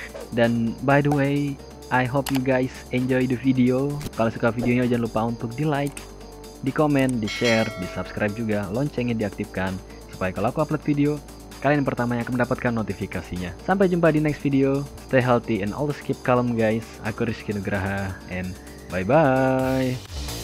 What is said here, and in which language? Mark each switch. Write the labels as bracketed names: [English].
[English] Dan by the way, I hope you guys enjoy the video. [Indonesian] Kalau suka videonya jangan lupa untuk di like, di komen, di share, di subscribe juga, loncengnya diaktifkan supaya kalau aku upload video kalian yang pertama yang akan mendapatkan notifikasinya. Sampai jumpa di next video. [English] Stay healthy and always keep calm guys. Aku Rizky Nugraha and bye bye.